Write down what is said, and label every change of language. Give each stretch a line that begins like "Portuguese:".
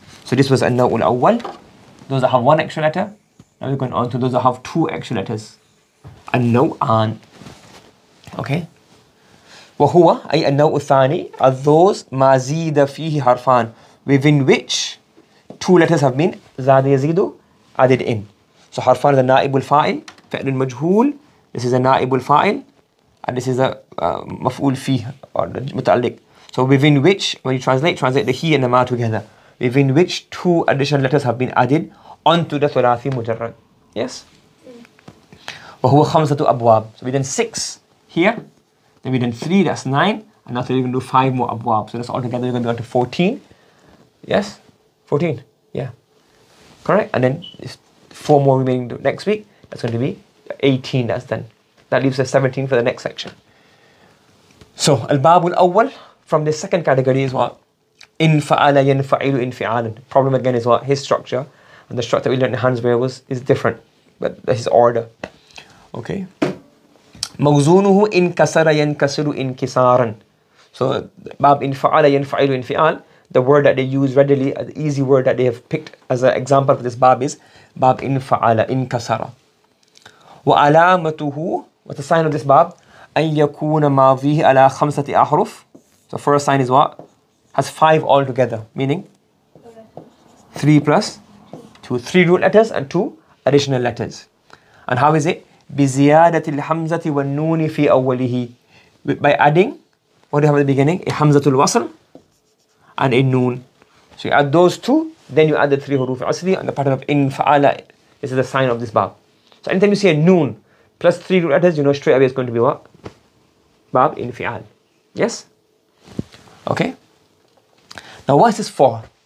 English: So this was an-naw' al-awwal, those that have one extra letter. Now we're going on to those that have two extra letters. An-naw'an. Okay.
Arabic: وهو أي النوع الثاني
English: are those
Arabic: ما زيد فيه حرفان
English: within which two letters have been
Arabic: زاد يزيد
English: added in. So حرفان is a نائب الفاعل فعل مجهول. This is a نائب الفاعل and this is a مفعول فيه or متعلق. So within which, when you translate the he and the ma together, within which two additional letters have been added onto the ثلاثي مجرد. Yes.
Arabic: وهو خمسة أبواب.
English: So within six here. Then we did three, that's nine. And now we're going to do five more abwab. So that's all together, we're going to be on to 14. Yes? 14. Yeah. Correct? And then it's four more remaining next week. That's going to be 18, that's then. That leaves us 17 for the next section. So, al-bab al-awwal from the second category is what?
Arabic: Infa'ala yanfa'ilu infi'alan.
English: Problem again is what? His structure. And the structure we learned in Hansberg is different. But that's his order. Okay?
Arabic: موزونه إن كسر ينكسر انكسارا. So باب انفعال ينفعل انفعال.
English: The word that they use readily, the easy word that they have picked as an example for this باب is باب انفعال انكسر. وعلامته, what's the sign of this باب?
Arabic: أن يكون ماضيه على خمسة أحرف.
English: So first sign is what? Has five altogether, meaning three plus two, three root letters and two additional letters. And how is it?
Arabic: بزيادة الحمزة والنون في أوله.
English: By adding, what do you have at the beginning? A حمزة الوصل and a نون. So you add those two, then you add the three حروف عصري and the pattern of انفعال. This is the sign of this باب. So anytime you see a نون plus three root letters, you know straight away it's going to be what? باب انفعال. Yes? Okay? Now what is this for?